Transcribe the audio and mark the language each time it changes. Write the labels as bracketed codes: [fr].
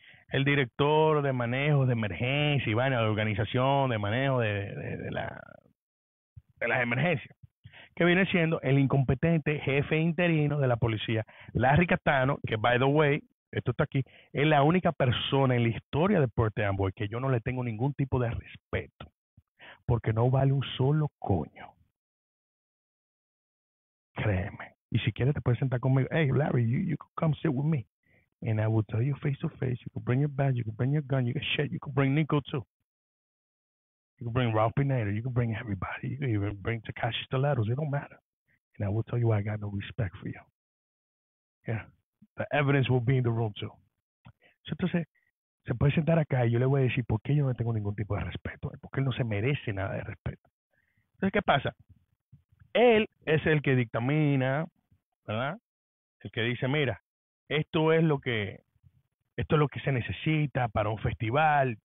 [es] el director de manejo de emergencia, Iván, la organización de manejo de las emergencias, que viene siendo el incompetente jefe interino de la policía, Larry Catano, que, [en] by the way, [es] esto está aquí, es la única persona en la historia de Puerto Amboy que yo no le tengo ningún tipo de respeto, porque no vale un solo coño. Créeme. Y si quieres, te puedes sentar conmigo. [en] Hey, Larry, you can come sit with me, and I will tell you face to face, you can bring your badge, you can bring your gun, you can shit, you can bring Nico too. You can bring Ralph Pineda. You can bring everybody. You can even bring Tekashi Stilettos. It don't matter. And I will tell you why I got no respect for you. Yeah. The evidence will be in the room too. [es] So, entonces, se puede sentar acá y yo le voy a decir por qué yo no tengo ningún tipo de respeto. Porque él no se merece nada de respeto. Entonces, ¿qué pasa? Él es el que dictamina, ¿verdad? El que dice, mira, esto es lo que se necesita para un festival.